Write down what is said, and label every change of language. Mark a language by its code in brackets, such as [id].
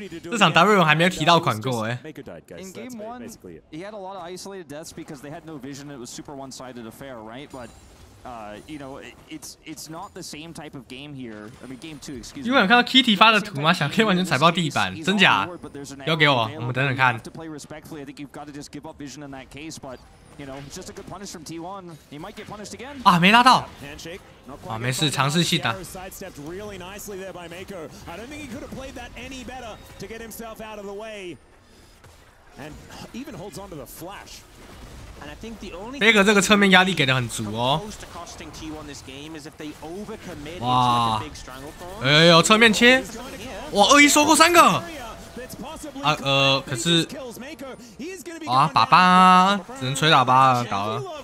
[zh] 这场 W 还没有提到款过哎。 [en] In game one, he had a lot of isolated deaths because they had no vision. It was super one-sided affair, right? But You know, it's not the same type of game here. I mean, game two, excuse me. [zh] 因为有看到 Kitty 发的图吗？想可以完全踩爆地板，真假？要给我，我们等等看。 [en] To play respectfully, I think you've got to just give up vision in that case. But you know, it's just a good punish from T1. He might get punished again. [zh] 啊，没拉到。啊，没事，尝试性的。 [en] Really nicely there by Maker. I don't think he could have played that any better to get himself out of the way. And even holds onto the flash. And I think the only thing that comes close to costing T1 this game is if they overcommit into like a big stranglehold. [zh] 哎呦，侧面切！哇，恶意收购三个。啊，可是，哇，喇叭，只能吹喇叭了，搞了。